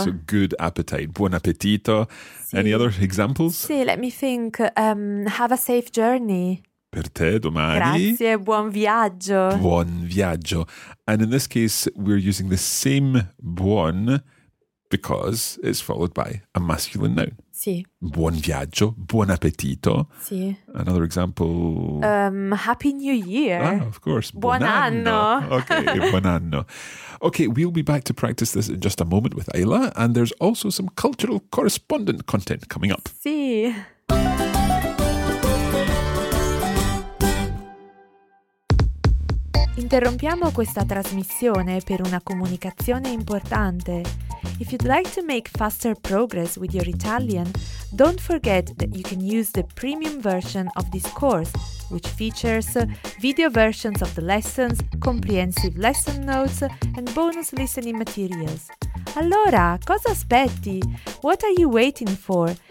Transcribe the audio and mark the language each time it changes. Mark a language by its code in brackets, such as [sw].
[en] So good appetite, [it] buon appetito. [en] Sì. Any other examples? Sì, let me think. Have a safe journey. [it] Per te domani. Grazie, buon viaggio. Buon viaggio. [en] And in this case, we're using the same buon because it's followed by a masculine noun. [it] Sì. Buon viaggio, buon appetito. Sì. [en] Another example. Happy New Year. Ah, of course. [it] Buon anno. Okay, buon anno. [en] Okay, we'll be back to practice this in just a moment with Ayla, and there's also some cultural correspondent content coming up. [it] Sì. Interrompiamo questa trasmissione per una comunicazione importante. [en] If you'd like to make faster progress with your Italian, don't forget that you can use the premium version of this course, which features video versions of the lessons, comprehensive lesson notes, and bonus listening materials. [it] Allora, cosa aspetti? [en] What are you waiting for?